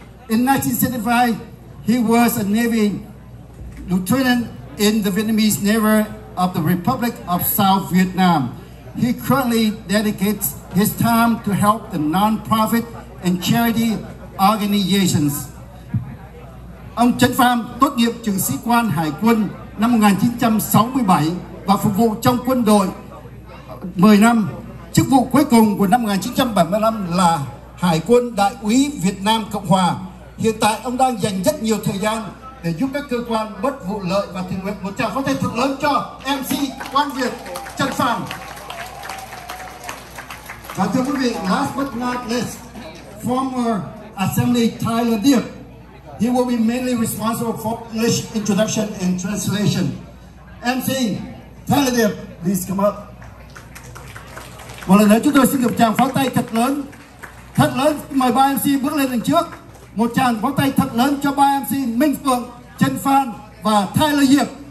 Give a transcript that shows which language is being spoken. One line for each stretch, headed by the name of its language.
English: In 1975, he was a Navy Lieutenant in the Vietnamese Navy of the Republic of South Vietnam. He currently dedicates his time to help the non-profit and charity organizations.
Vietnamese: Ông Trần Phạm tốt nghiệp trường sĩ quan Hải quân năm 1967 và phục vụ trong quân đội 10 năm. Chức vụ cuối cùng của năm 1975 là Hải quân Đại úy Việt Nam Cộng Hòa. Hiện tại ông đang dành rất nhiều thời gian để giúp các cơ quan bất vụ lợi và thiện nguyện. Một tràng pháo tay thật lớn cho MC Quan Việt Trần Phạm. Và thưa quý vị,
English: last but not least, former Assembly Tyler Diệp. He will be mainly responsible for English introduction and translation. MC Tyler Diệp, please come up.
Vietnamese: Một lần nữa chúng tôi xin được tràng pháo tay thật lớn. Thật lớn, mời ba MC bước lên đằng trước. Một tràng pháo tay thật lớn cho ba MC Minh Phượng, Trần Phan và Tyler Diệp.